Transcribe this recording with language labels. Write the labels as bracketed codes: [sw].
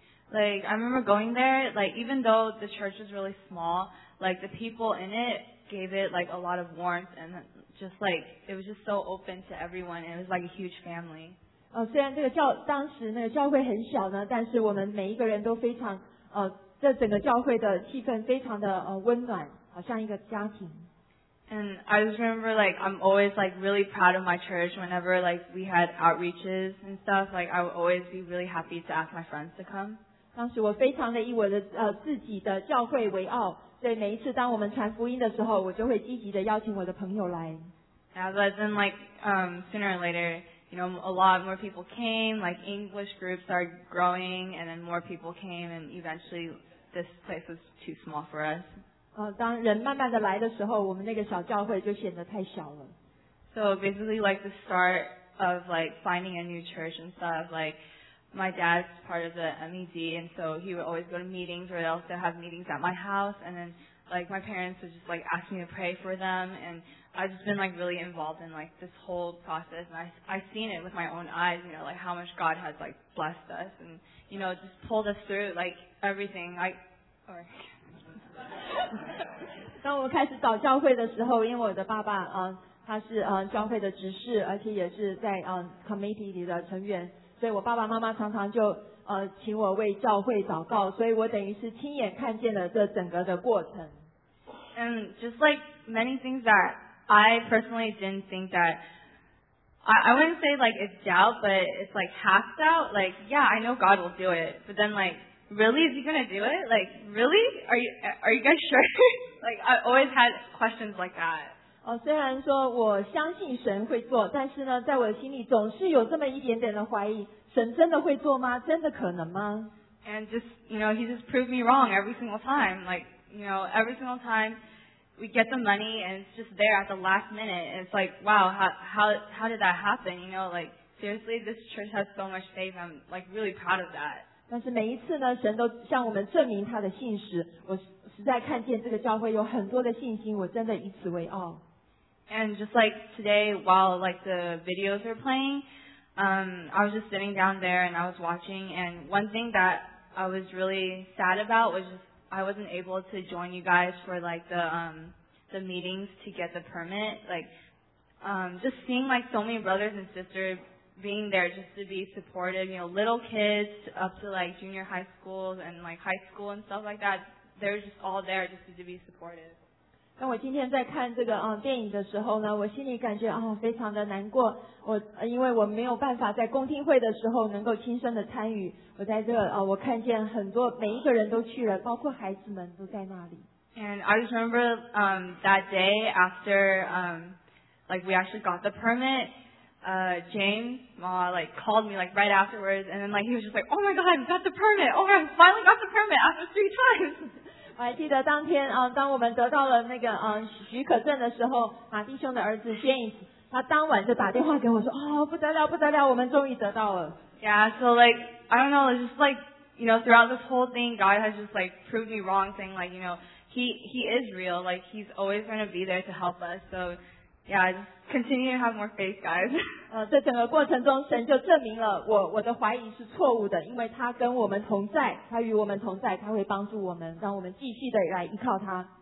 [en] Like I remember going there, like even though the church is really small, like the people in it gave it like a lot of warmth and. Just like it was just so open to everyone, and it was like a huge family. [zh] 虽然这个教当时那个教会很小呢，但是我们每一个人都非常这整个教会的气氛非常的温暖，好像一个家庭。 [en] And I just remember, like, I'm always, like, really proud of my church whenever, like, we had outreaches and stuff. Like, I would always be really happy to ask my friends to come. [zh] 当时我非常的以我的自己的教会为傲，所以每一次当我们传福音的时候，我就会积极的邀请我的朋友来。 [en] Yeah, but then like sooner or later, you know, a lot more people came. Like English groups are growing, and then more people came, and eventually this place was too small for us. [zh] 当人慢慢的来的时候，我们那个小教会就显得太小了。 [en] So basically, like the start of like finding a new church and stuff, like. My dad's part of the MED, and so he would always go to meetings, or they'll still have meetings at my house, and then, like, my parents would just, like, ask me to pray for them, and I've just been, like, really involved in, like, this whole process, and I've seen it with my own eyes, you know, like, how much God has, like, blessed us, and, you know, just pulled us through, like, everything. When I started to go to church, because my dad, he's a church leader, and he's also in the committee of the members. [zh] 所以我爸爸妈妈常常就请我为教会祷告，所以我等于是亲眼看见了这整个的过程。 [en] And just like many things that I personally didn't think that I wouldn't say like it's doubt, but it's like half doubt. Like yeah, I know God will do it, but then like really is He gonna do it? Like really? Are you guys sure? Like I always had questions like that. [zh] 虽然说我相信神会做，但是呢，在我的心里总是有这么一点点的怀疑，神真的会做吗？真的可能吗 [en] ？And just you know, he just proved me wrong every single time. Like you know, every single time we get the money and it's just there at the last minute. It's like, wow, how did that happen? You know, like seriously, this church has so much faith. I'm like really proud of that. [zh] 但是每一次呢，神都向我们证明他的信实。我实在看见这个教会有很多的信心，我真的以此为傲。 [en] And just like today, while like the videos were playing, I was just sitting down there and I was watching. And one thing that I was really sad about was just I wasn't able to join you guys for like the meetings to get the permit. Like, just seeing like so many brothers and sisters being there just to be supportive. You know, little kids up to like junior high school and like high school and stuff like that. They're just all there just to be supportive. [zh] 当我今天在看这个电影的时候呢，我心里感觉非常的难过。我因为我没有办法在公听会的时候能够亲身的参与。我在这我看见很多每一个人都去了，包括孩子们都在那里。 [en] And I just remember that day after like we actually got the permit, James Ma like called me like right afterwards, and then like he was just like, oh my god, got the permit! Oh my god, finally got the permit after 3 times. [zh] 我还记得当天当我们得到了那个许可证的时候，马弟兄的儿子 James 他当晚就打电话给我说，不得了不得了，我们终于得到了。 [en] Yeah, so like I don't know, it's just like you know, throughout this whole thing God has just like proved me wrong, saying like you know he is real, like he's always going to be there to help us. So yeah, continue to have more faith guys. [zh] 这整个过程中神就证明了我的怀疑是错误的，因为他跟我们同在，他与我们同在，他会帮助我们，让我们继续的来依靠他。